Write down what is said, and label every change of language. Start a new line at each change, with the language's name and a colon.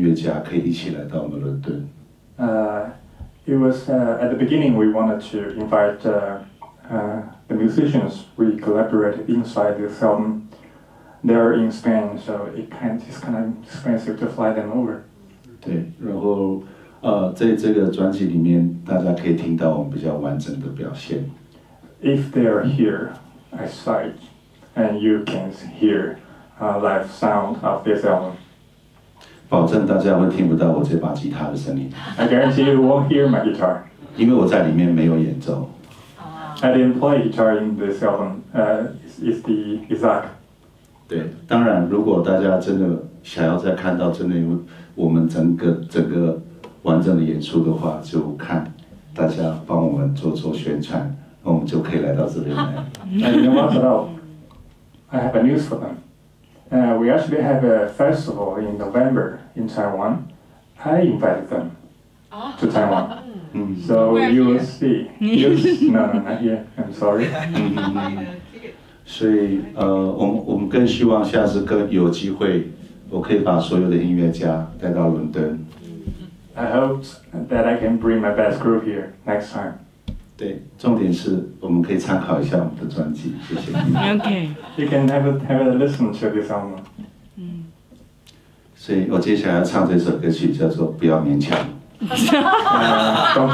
Chinese: 因为其实这次我很希望我里面合作的一些音乐家可以一起来到我们伦敦。
English: It was at the beginning we wanted to invite the musicians we collaborated inside this album. They're in Spain, so it's kind of expensive to fly them over.
Chinese: 对，然后在这个专辑里面，大家可以听到我们比较完整的表现。
English: If they are here, I sight, and you can hear live sound of this album.
Chinese: 保证大家会听不到我这把吉他的声音。
English: I guarantee you won't hear my guitar.
Chinese: 因为我在里面没有演奏。
English: I didn't play guitar in this album. It's the Isaac.
Chinese: 对，当然，如果大家真的想要再看到真的我们整个完整的演出的话，就看大家帮我们做宣传，那我们就可以来到这边来。
English: And you know what's up? I have a news for them. We actually have a festival in November in Taiwan. I invited them to Taiwan. So you will see. No, not here. I'm sorry.
Chinese: 所以我们更希望下次有机会 我可以把所有的音乐家带到伦敦。
English: I hope that I can bring my best group here next time.
Chinese: 对，重点是我们可以参考一下我们的专辑，谢谢。Okay.
English: You can have a listen to this album.
Chinese: 所以我接下来要唱这首歌曲叫做《不要勉强》。Don't